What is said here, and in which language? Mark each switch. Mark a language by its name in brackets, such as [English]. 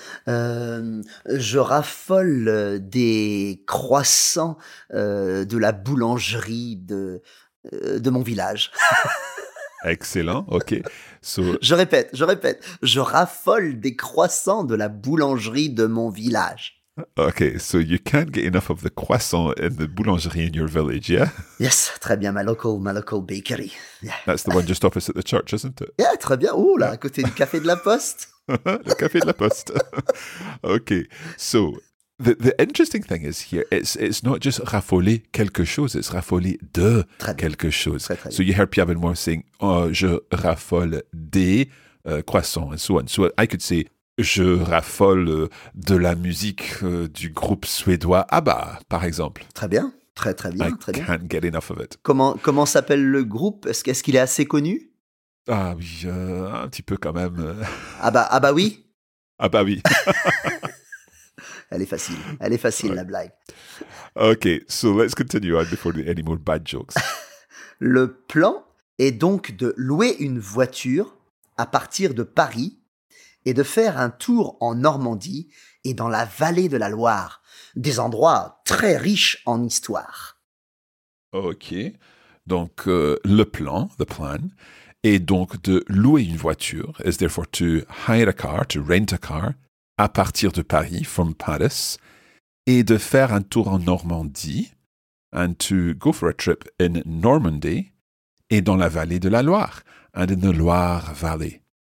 [French] Je raffole des croissants de la boulangerie de mon village. [English] Excellent, ok. So, [French] je répète, je raffole des croissants de la boulangerie de mon village. [English] Ok, so you can't get enough of the croissants in the boulangerie in your village, yeah? Yes, [French] très bien, [English] my local bakery. Yeah. That's the one just opposite the church, isn't it? [French] Yeah, très bien, ouh là, yeah. À côté du café de la poste. Le café de la poste. [English] Ok, so the interesting thing is here, it's not just raffoler quelque chose, it's [French] raffoler de quelque chose. Très, très [English] so you heard Pierre-Benoît saying, [French] oh, je raffole des croissants, [English] and so on. So I could say, [French] je raffole de la musique du groupe suédois ABBA, par exemple. Très bien, très très bien. Très [English] I can't [French] bien. [English] Get enough of it. [French] Comment s'appelle le groupe? Est-ce qu'il est assez connu? Ah oui, un petit peu quand même. ABBA oui? ABBA oui. Elle est facile, la blague. [English] Ok, so let's continue on before there are any more bad jokes. [French] Le plan est donc de louer une voiture à partir de Paris et de faire un tour en Normandie et dans la vallée de la Loire, des endroits très riches en histoire. Ok, donc le plan, est donc de louer une voiture, [English] is therefore to hire a car, [French] to rent a car, à partir de Paris, [English] from Paris, [French] et de faire un tour en Normandie, [English] and to go for a trip in Normandy, [French] et dans la vallée de la Loire, [English] and in the Loire Valley.